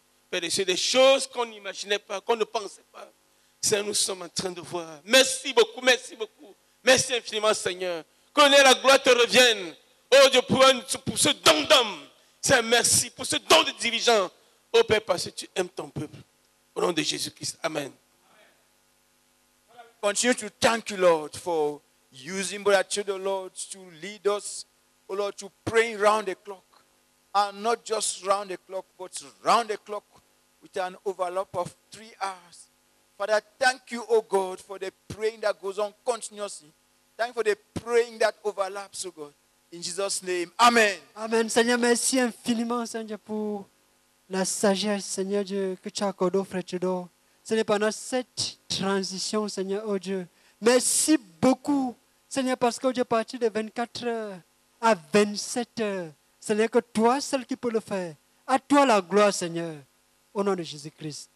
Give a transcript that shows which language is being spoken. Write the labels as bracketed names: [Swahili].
[French] Père des cieux, des choses qu'on n'imaginait pas, qu'on ne pensait pas, Seigneur, nous sommes en train de voir. Merci beaucoup. Merci infiniment, Seigneur. Que la gloire te revienne. Ô Dieu, pour ce don d'homme, Seigneur, merci pour ce don de dirigeant. Ô Père, parce que tu aimes ton peuple. Au nom de Jésus-Christ, amen. [English] Continue to thank you, Lord, for using Brother Theodore, Lord, to lead us, oh Lord, to pray round the clock. And not just round the clock, but round the clock with an overlap of 3 hours. Father, thank you, oh God, for the praying that goes on continuously. Thank you for the praying that overlaps, oh God. In Jesus' name, amen. Amen. [French] Seigneur, merci infiniment, Seigneur, pour la sagesse, Seigneur Dieu, que tu as accordé au frère Theodore. Seigneur, pendant cette transition, Seigneur, oh Dieu, merci beaucoup, Seigneur, parce que, oh Dieu, à partir de 24 heures à 27 heures, Seigneur, que toi seul qui peux le faire, à toi la gloire, Seigneur, au nom de Jésus-Christ.